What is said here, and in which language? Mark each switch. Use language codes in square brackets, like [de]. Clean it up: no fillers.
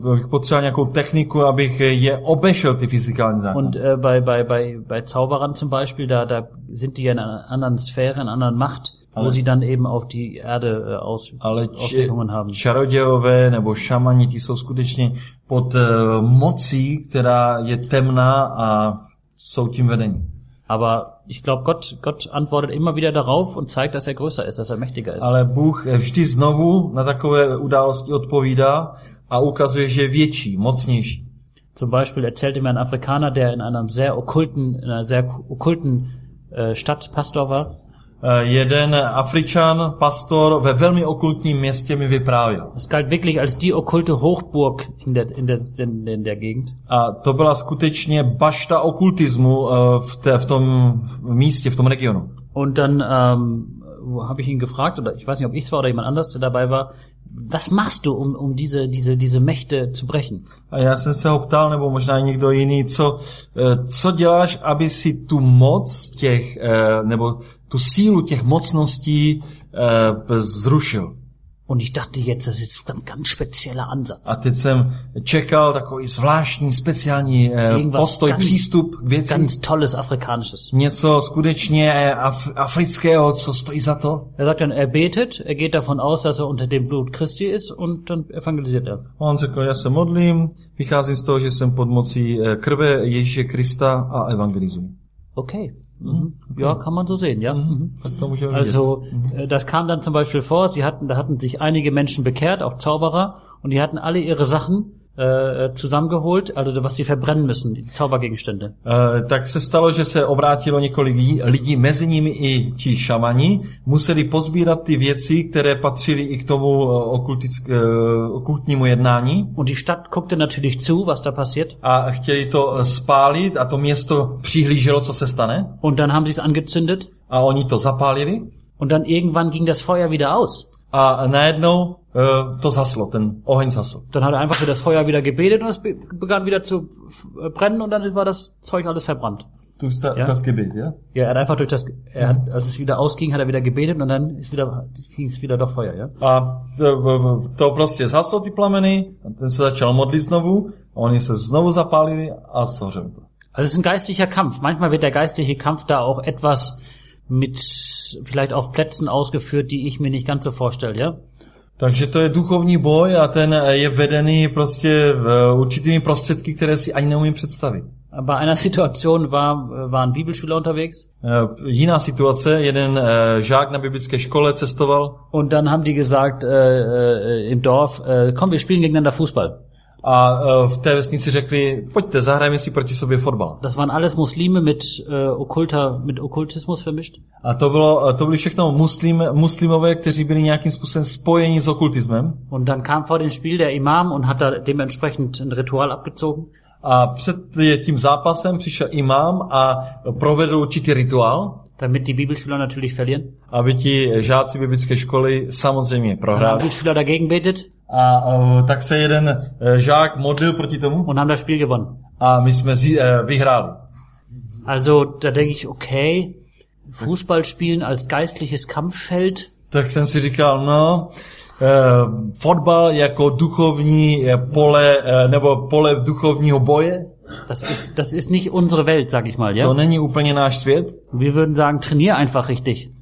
[cs] Potřeboval nějakou techniku, abych je obešel, ty fyzikální zákony. [de] Und bei Zauberern zum Beispiel, da sind die ja in einer anderen Sphäre, in einer anderen Macht. [cs] Ale, [de] wo sie dann eben auf die Erde Auswirkungen haben. [cs] Čarodějové nebo šamani, ty jsou skutečně pod mocí, která je temná a jsou tím vedení. [de] Aber ich glaube, Gott antwortet immer wieder darauf und zeigt, dass er größer ist, dass er mächtiger ist. [cs] Ale Bůh vždy znovu na takové události odpovídá a ukazuje, že je větší, mocnější. [de] Zum Beispiel erzählte mir ein Afrikaner, der in einem sehr okkulten, Stadt Pastor war. [cs] Jeden Afričan, pastor ve velmi okultním městě mi vyprávěl. [de] Es galt wirklich als die okkulte Hochburg in der Gegend. [cs] A to byla skutečně bašta okultismu v tom místě, v tom regionu. [de] Und dann habe ich ihn gefragt, oder ich weiß nicht, ob ich es war oder jemand anders, der dabei war, was machst du, um diese Mächte zu brechen? [cs] A já jsem se ho ptal, nebo možná i někdo jiný, co děláš, aby si tu moc těch, nebo tu sílu těch mocností zrušil. [de] Und ich dachte jetzt, das ist ein ganz spezieller Ansatz. [cs] A teď jsem čekal takový zvláštní, speciální postoj, přístup k věci. [de] Ganz tolles afrikanisches. [cs] Něco skutečně afrického, co stojí za to. [de] Er sagt dann, er betet, er geht davon aus, dass er unter dem Blut Christi ist und dann evangelisiert er. [cs] On řekl, já se modlím, vycházím z toho, že jsem pod mocí krve Ježíše Krista a evangelizuji. [de] Okay. Mhm. Ja, kann man so sehen, ja. Mhm. Also, das kam dann zum Beispiel vor, da hatten sich einige Menschen bekehrt, auch Zauberer, und die hatten alle ihre Sachen zusammengeholt, also was sie verbrennen müssen, die Zaubergegenstände. [cs] Tak se stalo, že se obrátilo několik lidí, mezi nimi i ti šamani, museli pozbírat ty věci, které patřily i k tomu okultnímu jednání. [de] Und die Stadt guckte natürlich zu, was da passiert. [cs] A chtěli to spálit a to město přihlíželo, co se stane. [de] Und dann haben sie es angezündet. [cs] A oni to zapálili. [de] Und dann irgendwann ging das Feuer wieder aus. [cs] A najednou to zhaslo, ten oheň zhaslo. [de] Dann hat er einfach das Feuer wieder gebetet und es begann wieder zu brennen und dann war das Zeug alles verbrannt. Durch das Gebet, ja? Ja, er hat einfach durch das, als es wieder ausging, hat er wieder gebetet und dann fing es wieder doch Feuer, ja? [cs] A to prostě zhaslo, ty plameny, ten se začal modlit znovu a oni se znovu zapálili a zhořelo to. [de] Also es ist ein geistlicher Kampf. Manchmal wird der geistliche Kampf da auch etwas mit vielleicht auf Plätzen ausgeführt, die ich mir nicht ganz so vorstelle, ja? [cs] Takže to je duchovní boj a ten je vedený prostě v určitými prostředky, které si ani neumím představit. [de] Bei einer Situation waren Bibelschüler unterwegs. [cs] Jiná situace, jeden žák na biblické škole cestoval. [de] Und dann haben die gesagt im Dorf, komm, wir spielen gegeneinander Fußball. [cs] A v té vesnici řekli, pojďte, zahrajeme si proti sobě fotbal. [de] Das waren alles Muslime mit Okkultismus vermischt. [cs] A to byli všechno muslimové, kteří byli nějakým způsobem spojeni s okultismem. [de] Und dann kam vor dem Spiel der Imam und hat da dementsprechend ein Ritual abgezogen. [cs] A před tím zápasem přišel imám a provedl určitý rituál. [de] Damit die Bibelschüler natürlich verlieren. [cs] Aby ti žáci biblické školy samozřejmě prohráli. [de] Die Bibelschüler dagegen betet. [cs] A tak se jeden žák modlil proti tomu. [de] Und haben das Spiel gewonnen. [cs] A my jsme vyhráli. [de] Also, da denke ich, okay, Fußball spielen als geistliches Kampffeld. [cs] Tak jsem si říkal, no, fotbal jako duchovní pole, nebo pole duchovního boje. [de] Das ist nicht unsere Welt, sag ich mal, ja? [cs] To není úplně náš svět. [de] Wir würden sagen, trainier einfach richtig.